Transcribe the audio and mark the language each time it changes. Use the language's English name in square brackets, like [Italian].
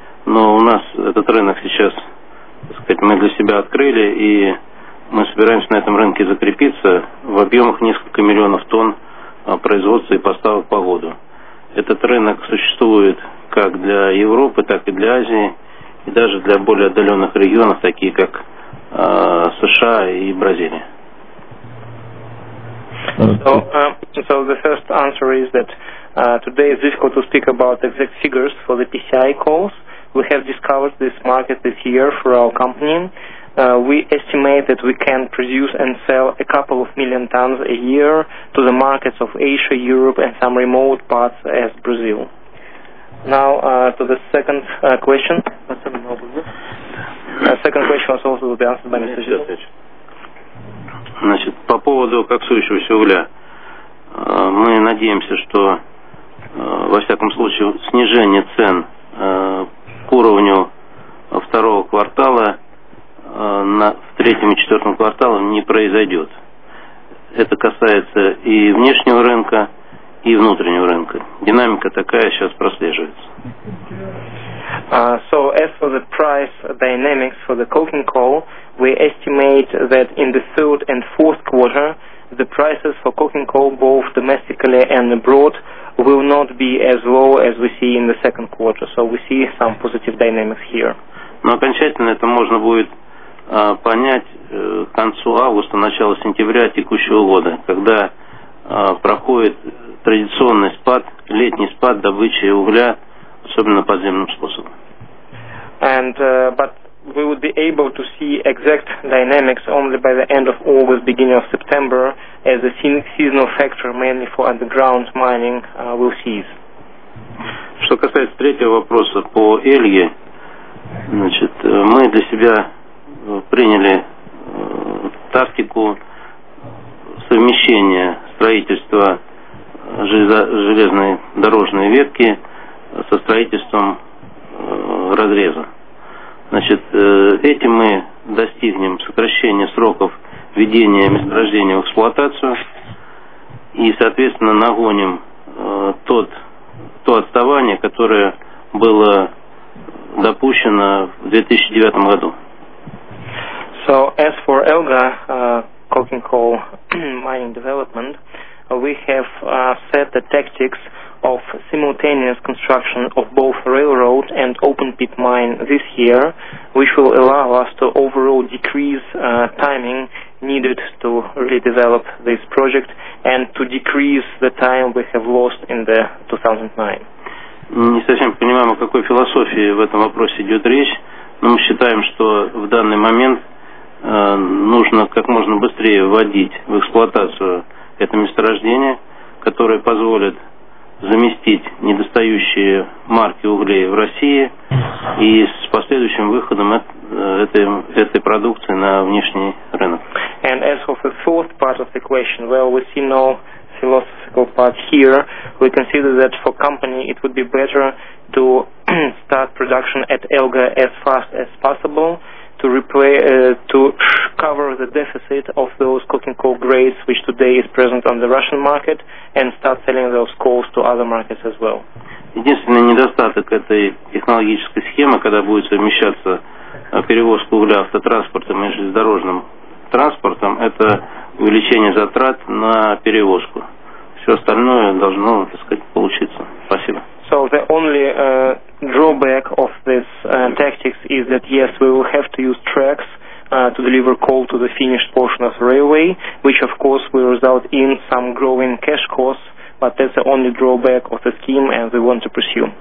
[Russian] Но у нас этот рынок сейчас, так сказать, мы для себя открыли, и мы собираемся на этом рынке закрепиться в объемах несколько миллионов тонн производства и поставок по году. Этот рынок существует как для Европы, так и для Азии, и даже для более отдаленных регионов, такие как США и Бразилия. [English] So the first answer is that today it's difficult to speak about exact figures for the PCI calls. We have discovered this market this year for our company. We estimate that we can produce and sell a couple of million tons a year to the markets of Asia, Europe, and some remote parts as Brazil. Now, to the second question. Second question was also be answered by Mr. Zhu. [Russian] Значит, по поводу коксующегося угля, мы надеемся, что, во всяком случае, снижение цен к уровню второго квартала в третьем и четвертом квартале не произойдет. Это касается и внешнего рынка, и внутреннего рынка. Динамика такая сейчас прослеживается. [English] So as for the price dynamics for the coking coal, we estimate that in the third and fourth quarter the prices for coking coal both domestically and abroad will not be as low as we see in the second quarter. So we see some positive dynamics here. [Russian] Но окончательно это можно будет понять к концу августа, начало сентября текущего года, когда проходит традиционный спад, летний спад добычи угля, особенно подземным способом. [English] And but we would be able to see exact dynamics only by the end of August, beginning of September, as the seasonal factor mainly for underground mining will cease. [Russian] Что касается третьего вопроса по Эльге, значит, мы для себя приняли тактику совмещения строительства железной дорожной ветки со строительством разреза. Значит, этим мы достигнем сокращения сроков введения месторождения в эксплуатацию и, соответственно, нагоним то отставание, которое было допущено в 2009 году. [English] So, as for Elga, coking coal mining development, we have set the tactics of simultaneous construction of both railroad and open pit mine this year, which will allow us to overall decrease timing needed to redevelop this project and to decrease the time we have lost in the 2009. [Russian] Не совсем понимаем, о какой философии в этом вопросе идет речь, но мы считаем, что в данный момент нужно как можно быстрее вводить в эксплуатацию это месторождение, которое позволит заместить недостающие марки углей в России и с последующим выходом этой продукции на внешний рынок. [English] And as for the fourth part of the question, well, we see no philosophical part here. We consider that for company it would be better to start production at Elga as fast as possible to replace to cover the deficit of those coking coal grades which today is present on the Russian market and start selling those coals to other markets as well. [Russian] Единственный недостаток этой технологической схемы, когда будет совмещаться перевозка угля автотранспортом и железнодорожным транспортом, это увеличение затрат на перевозку. Все остальное должно, так сказать, получиться. Спасибо. [English] So the only drawback of this tactics is that, yes, we will have to use tracks to deliver coal to the finished portion of the railway, which, of course, will result in some growing cash costs, but that's the only drawback of the scheme and we want to pursue.